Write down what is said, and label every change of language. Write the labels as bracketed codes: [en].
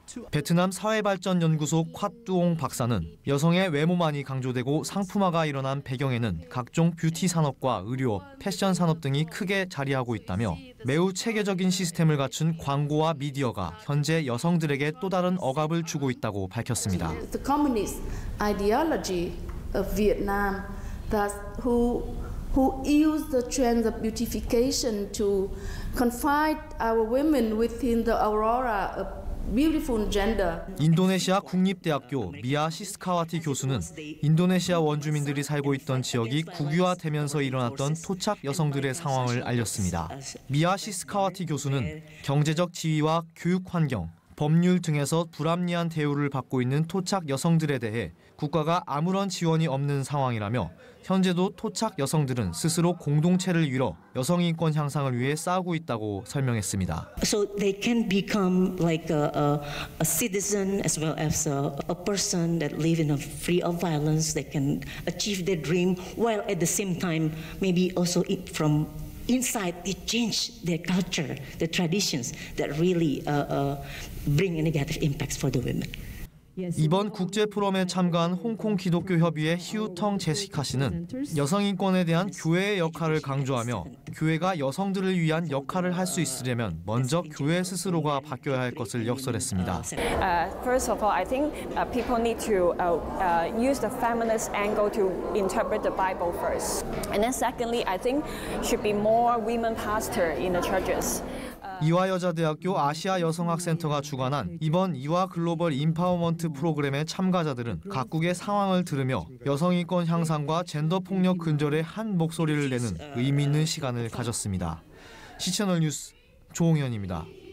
[ko] 베트남 사회발전연구소 콰뚜옹 박사는 여성의 외모만이 강조되고 상품화가 일어난 배경에는 각종 뷰티 산업과 의료업, 패션 산업 등이 크게 자리하고 있다며 매우 체계적인 시스템을 갖춘 광고와 미디어가 현재 여성들에게 또 다른 억압을 주고 있다고 밝혔습니다. [en] The communist ideology of Vietnam. That who use the trend of beautification to confine our women within the aurora of beautiful gender. [ko] 인도네시아 국립대학교 미아 시스카와티 교수는 인도네시아 원주민들이 살고 있던 지역이 국유화되면서 일어났던 토착 여성들의 상황을 알렸습니다. 미아 시스카와티 교수는 경제적 지위와 교육 환경, 법률 등에서 불합리한 대우를 받고 있는 토착 여성들에 대해 국가가 아무런 지원이 없는 상황이라며 현재도 토착 여성들은 스스로 공동체를 이뤄 여성 인권 향상을 위해 싸우고 있다고 설명했습니다. [en] So they can become like a citizen as well as a person that live in a free of violence. They can achieve their dream while at the same time maybe also it from inside they change their culture, the traditions that really bring negative impacts for the women. [ko] 이번 국제 포럼에 참가한 홍콩 기독교 협의회 히우텅 제시카 씨는 여성 인권에 대한 교회의 역할을 강조하며 교회가 여성들을 위한 역할을 할 수 있으려면 먼저 교회 스스로가 바뀌어야 할 것을 역설했습니다. [en] First of all, I think people need to use the feminist angle to interpret the Bible first. And then secondly, I think should be more women pastor in the churches. [ko] 이화여자대학교 아시아여성학센터가 주관한 이번 이화 글로벌 임파워먼트 프로그램의 참가자들은 각국의 상황을 들으며 여성인권 향상과 젠더폭력 근절의 한 목소리를 내는 의미 있는 시간을 가졌습니다. 시채널 뉴스 조홍현입니다.